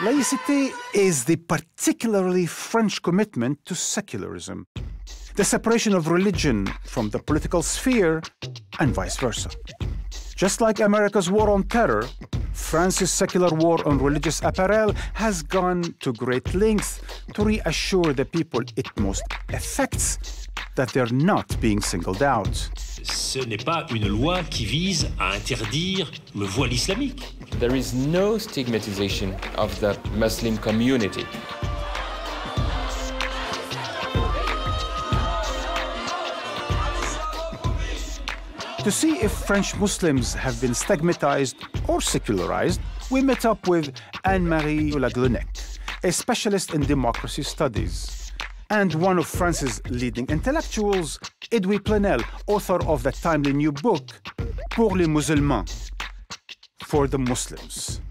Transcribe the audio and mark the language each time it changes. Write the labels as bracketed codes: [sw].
[en] Laïcité is the particularly French commitment to secularism, the separation of religion from the political sphere, and vice versa. Just like America's war on terror, France's secular war on religious apparel has gone to great lengths to reassure the people it most affects that they're not being singled out. [fr] Ce n'est pas une loi qui vise à interdire le voile islamique. [en] There is no stigmatization of the Muslim community. To see if French Muslims have been stigmatized or secularized, we met up with Anne-Marie Laglenec, a specialist in democracy studies, and one of France's leading intellectuals, Edwy Plenel, author of the timely new book, Pour les Musulmans, For the Muslims.